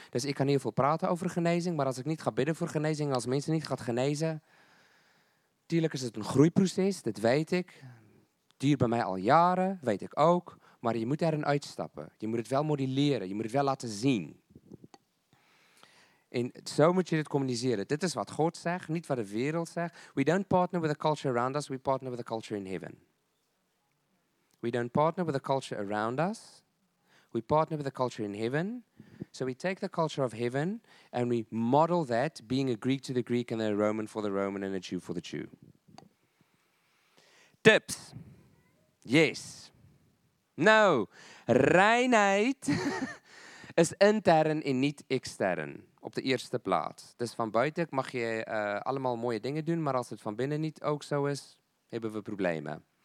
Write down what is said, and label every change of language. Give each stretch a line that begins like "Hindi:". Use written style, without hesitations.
Dutch: Dus ik kan heel veel praten over genezing, maar als ik niet ga bidden voor genezing, als mensen niet gaan genezen, natuurlijk is het een groeiproces, dat weet ik. Duurt bij mij al jaren, weet ik ook. Maar je moet erin uitstappen. Je moet het wel modelleren, je moet het wel laten zien. En zo moet je dit communiceren. Dit is wat God zegt, niet wat de wereld zegt.
English: We don't partner with the culture around us, we partner with the culture in heaven. We don't partner with the culture around us, we partner with the culture in heaven. So we take the culture of heaven and we model that, being a Greek to the Greek and a Roman for the Roman and a Jew for the Jew. Tips. Yes.
Dutch: Nou, reinheid is intern en niet extern. Op de eerste plaats. Dus van buiten mag je allemaal mooie dingen doen, maar als het van binnen niet ook zo is, hebben we problemen.